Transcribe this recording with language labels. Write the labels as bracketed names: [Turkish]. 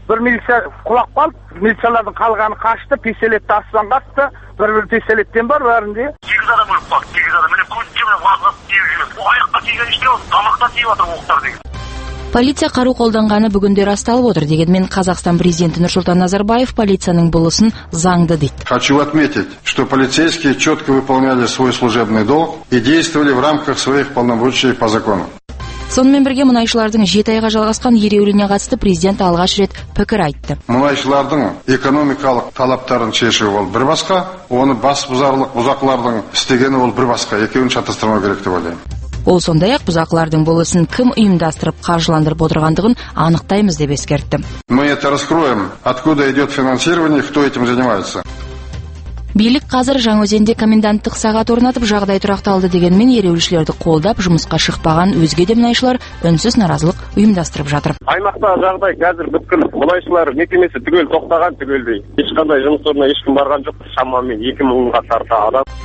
[Kazakh] Бір милиция құлап қалды, милициялардың қалғаны қашты, пистолетті астынан қатты, бір пистолеттен бар бәрінде. Сегіз адам өліп қалды, сегіз адам. Міне көзінше міне қағып тиіп жүр. Бұл аяққа тиген іште осы тамақтан тиіп жатыр оқтар деген. Полиция қару қолданғаны бүгінде расталып отыр дегенмен Қазақстан президенті Нұрсұлтан Назарбаев полицияның бұл ісін заңды дейді. [Russian] Хочу отметить, что полицейские четко выполняли свой служебный долг и действовали в рамках своих полномочий по закону. [Kazakh] Сонымен бірге мұнайшылардың жеті айға жалғасқан ереуіліне қатысты президент алғаш рет пікір айтты. Мұнайшылардың экономикалық талаптарын шешу ол бір басқа, оны бас бұзарлық бұзақылардың істегені ол бір басқа, екеуін шатастырмау керек деп ойлаймын. Ол сондай ақ бұзақылардың бұл ісін кім ұйымдастырып қаржыландырып отырғандығын анықтаймыз деп ескертті. [Russian] Мы это раскроем, откуда идет финансирование, кто этим занимается. [Kazakh] Билік қазір Жаңаөзенде коменданттық сағат орнатып жағдай тұрақталды дегенмен ереуілшілерді қолдап жұмысқа шықпаған өзге де мұнайшылар үнсіз наразылық ұйымдастырып жатыр. Аймақта жағдай қазір бүткіл мұнайшылар мекемесі түгел тоқтаған түгелдей. Ешқандай жұмыс орнына ешкім барған жоқ, шамамен 2000-ға тарта адам.